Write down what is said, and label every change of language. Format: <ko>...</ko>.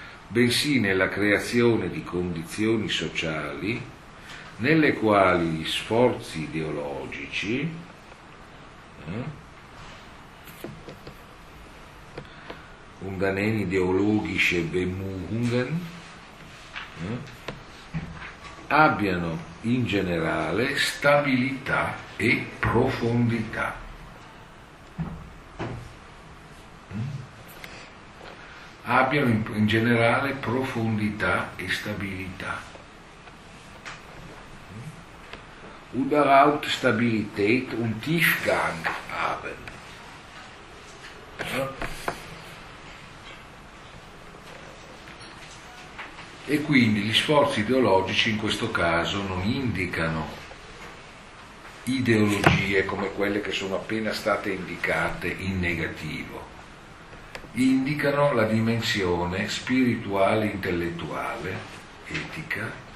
<it>bensì nella creazione di condizioni sociali nelle quali gli sforzi ideologici undaneni</it> <de>ideologische Bemühungen</de> <it>abbiano in generale stabilità e profondità. Abbiano in generale profondità e stabilità.</it> <de>Überhaupt Stabilität und Tiefgang haben.</de> <it>E quindi gli sforzi ideologici in questo caso non indicano ideologie come quelle che sono appena state indicate in negativo, indicano la dimensione spirituale, intellettuale, etica,</it>